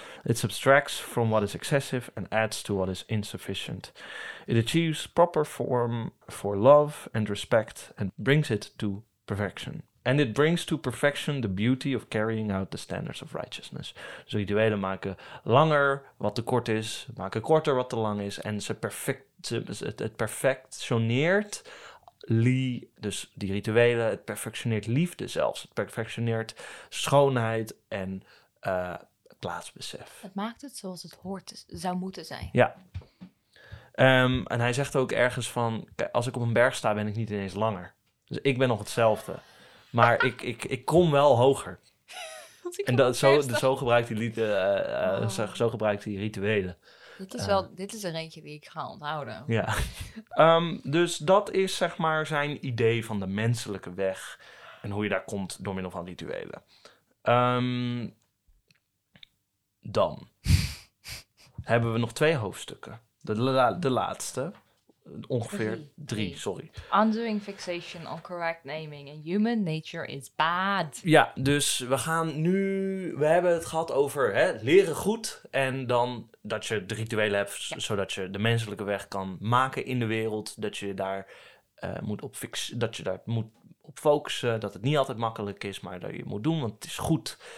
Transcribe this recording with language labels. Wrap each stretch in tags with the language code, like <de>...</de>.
<en>It subtracts from what is excessive and adds to what is insufficient. It achieves proper form for love and respect and brings it to perfection. And it brings to perfection the beauty of carrying out the standards of righteousness.</en> <nl>Dus rituelen maken langer wat te kort is, maken korter wat te lang is. En het perfectioneert dus die rituelen, het perfectioneert liefde zelfs. Het perfectioneert schoonheid en plaatsbesef. Het maakt het zoals het hoort, zou moeten zijn. Ja. En hij zegt ook ergens van, als ik op een berg sta, ben ik niet ineens langer. Dus ik ben nog hetzelfde. Maar ik kom wel hoger. En zo gebruikt hij lied, zo gebruikt hij rituelen. Dit is er eentje die ik ga onthouden. Ja. Dus dat is zeg maar zijn idee van de menselijke weg. En hoe je daar komt door middel van rituelen. Dan hebben we nog twee hoofdstukken. De laatste. Ongeveer drie, sorry.</nl> <en>Undoing fixation on correct naming and human nature is bad.</en> <nl>Ja, dus we gaan nu. We hebben het gehad over leren goed. En dan dat je de rituelen hebt, ja. zodat je de menselijke weg kan maken in de wereld. Dat je daar moet op focussen. Dat het niet altijd makkelijk is, maar dat je moet doen, want het is goed.</nl>